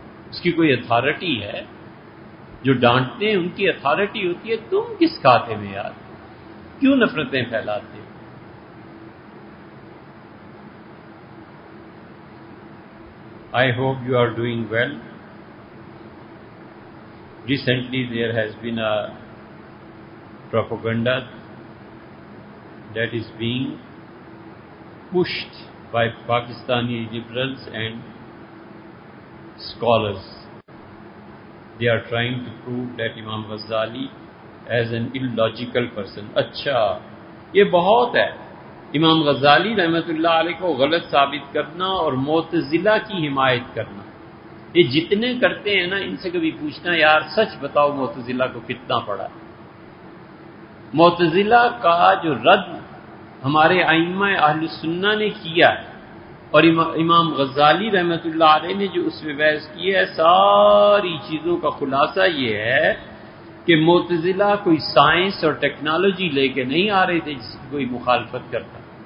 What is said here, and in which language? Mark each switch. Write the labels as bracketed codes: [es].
[ur] اس کی کوئی اتھارٹی ہے؟ جو ڈانٹتے ہیں ان کی اتھارٹی ہوتی ہے. تم کس کھاتے میں یار کیوں نفرتیں پھیلاتے؟ [en] I hope you are doing well. Recently there has been a propaganda that is being pushed by Pakistani liberals and scholars. They are trying to prove that Imam Ghazali as an illogical person. [ur] اچھا یہ بہت ہے، امام غزالی رحمت اللہ علیہ کو غلط ثابت کرنا اور معتزلہ کی حمایت کرنا. یہ جتنے کرتے ہیں نا ان سے کبھی پوچھنا یار سچ بتاؤ معتزلہ کو کتنا پڑا. معتزلہ کا جو رد ہمارے ائمہ اہل سنہ نے کیا ہے اور امام غزالی رحمت اللہ علیہ نے جو اس میں بحث کی ہے، ساری چیزوں کا خلاصہ یہ ہے کہ معتزلہ کوئی سائنس اور ٹیکنالوجی لے کے نہیں آ رہے تھے جس کی کوئی مخالفت کرتا.